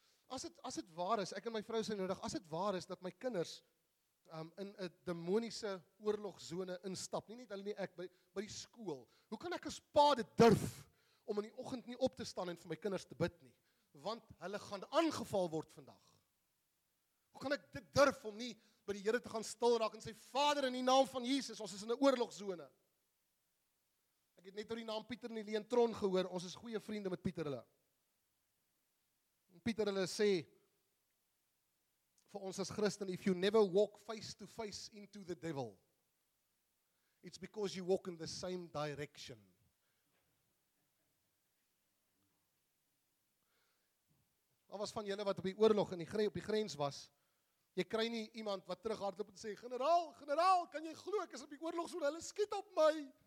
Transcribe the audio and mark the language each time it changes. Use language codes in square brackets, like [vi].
[af] As het waar is, ek en my vrou sê nodig, as het waar is, dat my kinders in 'n demoniese oorlogsone instap, nie net hulle nie ek, by die skool, hoe kan ek as pa dit durf, om in die oggend nie op te staan en vir my kinders te bid nie, want hulle gaan aangeval word vandag. Hoe kan ek dit durf om nie by die Here te gaan stil raak en sê, Vader, in die naam van Jesus, ons is in 'n oorlogsone. Ek het net oor die naam Pieter en die Leentron gehoor, ons is goeie vriende met Pieter hulle. Pieter hulle sê, vir ons as Christen, [en] if you never walk face to face into the devil, it's because you walk in the same direction. [af] Al was van julle wat op die oorlog en op die grens was, jy kry nie iemand wat terug hardloop en sê, generaal, kan jy glo, ek is op die oorlog, so hulle skiet op my.